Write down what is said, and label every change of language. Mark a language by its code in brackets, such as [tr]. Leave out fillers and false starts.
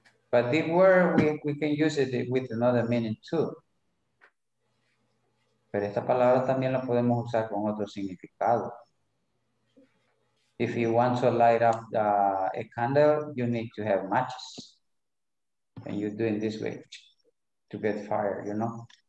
[en] But this word, we can use it with another meaning too. [es] Pero esta palabra también la podemos usar con otro significado. [en] If you want to light up a candle, you need to have matches. And you do it this way to get fire, you know?